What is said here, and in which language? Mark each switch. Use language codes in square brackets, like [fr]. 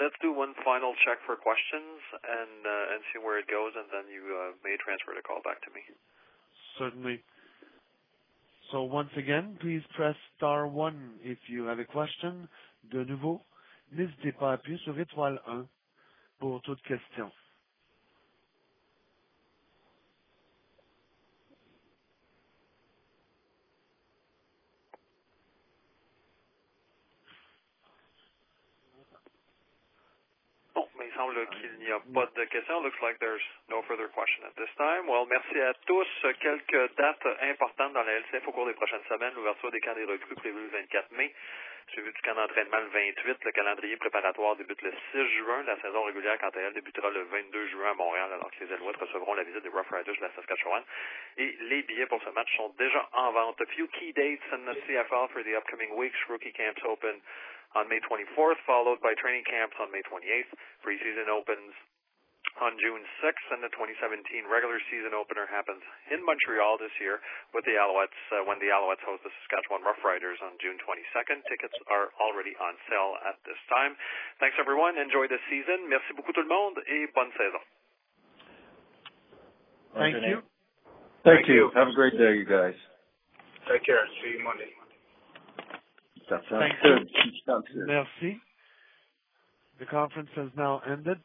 [en] Let's do one final check for questions and see where it goes, and then you may transfer the call back to me. Certainly. So once again, please press *1 if you have a question. [fr] De nouveau, n'hésitez pas à appuyer sur *1 pour toute question. Semble qu'il n'y a pas de questions. [en] Looks like there's no further questions at this time. [fr] Well, merci à tous. Quelques dates importantes dans la LCF au cours des prochaines semaines. L'ouverture des camps des recrues prévue le 24 mai, suivi du camp d'entraînement le 28. Le calendrier préparatoire débute le 6 juin. La saison régulière, quant à elle, débutera le 22 juin à Montréal, alors que les Alouettes recevront la visite des Rough Riders de la Saskatchewan. Et les billets pour ce match sont déjà en vente. [en] A few key dates in the CFL for the upcoming weeks. Rookie camps open on May 24th, followed by training camps on May 28th. Preseason opens on June 6th, and the 2017 regular season opener happens in Montreal this year with the Alouettes when the Alouettes host the Saskatchewan Rough Riders on June 22nd. Tickets are already on sale at this time. Thanks, everyone. Enjoy the season. [fr] Merci beaucoup, tout le monde, et bonne saison. [en] Thank you. Have a great day, you guys. Take care. See you Monday. That sounds good. Merci. The conference has now ended.